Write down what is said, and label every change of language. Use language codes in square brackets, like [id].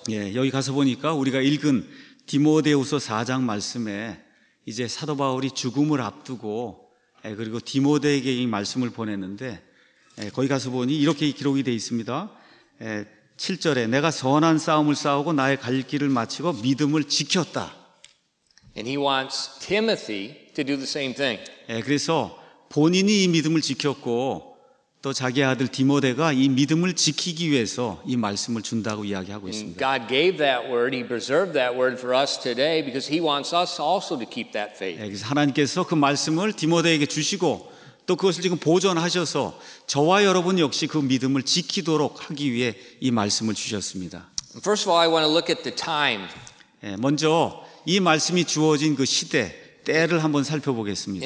[ko] 예, 여기 가서 보니까 우리가 읽은 디모데후서 4장 말씀에 이제 사도 바울이 죽음을 앞두고 예, 그리고 디모데에게 이 말씀을 보냈는데 예, 거기 가서 보니 이렇게 기록이 돼 있습니다. 예, 7절에 내가 선한 싸움을 싸우고 나의 갈 길을 마치고 믿음을 지켰다. [en] And he wants Timothy to do the same thing. [ko] 예, 그래서 본인이 이 믿음을 지켰고 또 자기 아들 디모데가 이 믿음을 지키기 위해서 이 말씀을 준다고 이야기하고 있습니다. [en] God gave that word, he preserved that word for us today because he wants us also to keep that faith. [ko] 예, 그래서 하나님께서 그 말씀을 디모데에게 주시고 또 그것을 지금 보존하셔서 저와 여러분 역시 그 믿음을 지키도록 하기 위해 이 말씀을 주셨습니다. [en] First of all, I want to look at the time. [ko] 예, 먼저 이 말씀이 주어진 그 시대, 때를 한번 살펴보겠습니다.